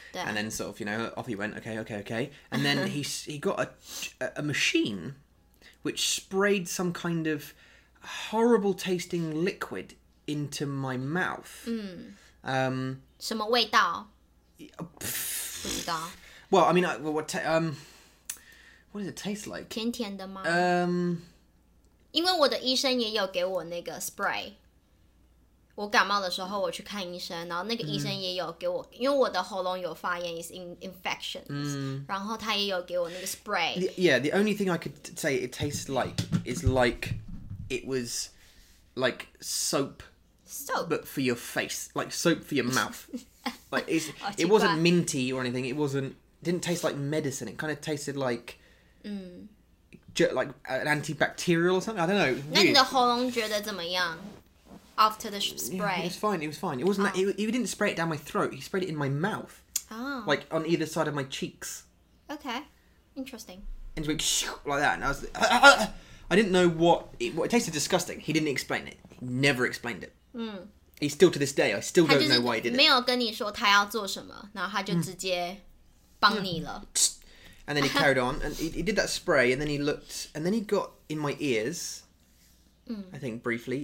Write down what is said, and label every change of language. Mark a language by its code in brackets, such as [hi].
[en] And then sort of, you know, off he went, okay. And then he got a machine which sprayed some kind of horrible tasting liquid into my mouth. [zh] 什么味道?不知道. [en] Well, I mean, what does it taste like? [zh] 甜甜的吗? 因为我的医生也有给我那个 spray， 我感冒的时候我去看医生，然后那个医生也有给我， 因为我的喉咙有发炎， [en] is infections， [zh] 然后他也有给我那个 spray。 [en] Yeah, the only thing I could say it tastes like is like it was like soap. Soap. But for your face, like soap for your mouth. Like it's, oh, it wasn't minty or anything. It wasn't. Didn't taste like medicine. It kind of tasted like. Like an antibacterial or something? I don't know. [zh] 那你的喉咙觉得怎么样? [en] After the spray? Yeah, it was fine. It wasn't he didn't spray it down my throat. He sprayed it in my mouth. Oh. Like on either side of my cheeks. Okay. Interesting. And he went like that. And I was I didn't know what... It tasted disgusting. He didn't explain it. He never explained it. He's still to this day. I still don't know why he did it. [zh] 没有跟你说他要做什么，然后他就直接帮你了。 [en] And then he carried on, and he did that spray, and then he looked, and then he got in my ears, I think, briefly.